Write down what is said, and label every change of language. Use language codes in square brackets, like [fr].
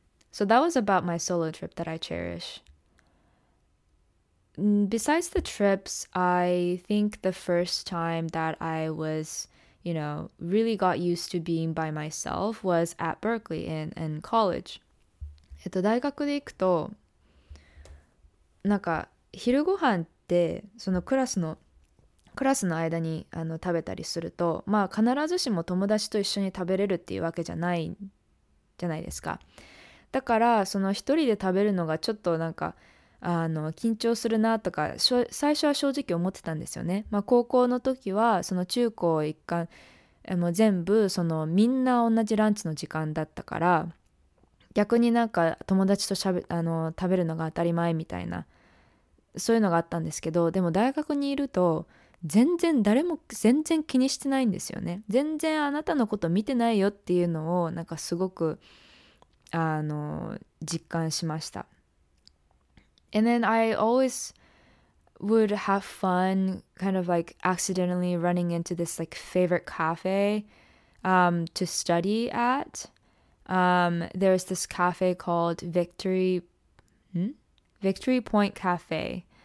[en] So that was about my solo trip that I cherish. Besides the trips, I think the first time that I was, you know, really got used to being by myself was at Berkeley in college. [ja] 大学で行くと、なんか昼ご飯ってそのクラスの間にあの食べたりすると、まあ必ずしも友達と一緒に食べれるっていうわけじゃないですか。だからその一人で食べるのがちょっとなんかあの緊張するなとか最初は正直思ってたんですよね。まあ高校の時はその中高一貫もう全部そのみんな同じランチの時間だったから、逆になんか友達としゃべあの食べるのが当たり前みたいなそういうのがあったんですけど、でも大学にいると全然誰も全然気にしてないんですよね。全然あなたのこと見てないよっていうのをなんかすごくあの実感しました。 [en] And then I always would have fun kind of like accidentally running into this like favorite cafe to study at. There's this cafe called Victory Point Cafe.